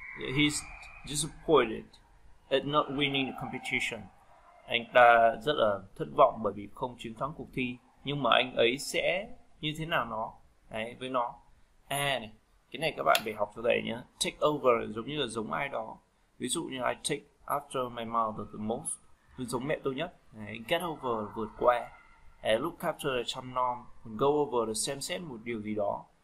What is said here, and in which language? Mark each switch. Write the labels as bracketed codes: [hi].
[en] He's disappointed at not winning the competition. [vi] Anh ta rất là thất vọng bởi vì không chiến thắng cuộc thi. Nhưng mà anh ấy sẽ như thế nào nó? Đấy, với nó. A à, này, cái này các bạn phải học cho thầy nhé. Take over giống như là giống ai đó. Ví dụ như [en] I take after my mother the most. [vi] Tôi giống mẹ tôi nhất. Đấy, get over là vượt qua. Đấy, look after là chăm nom. Go over là xem xét một điều gì đó.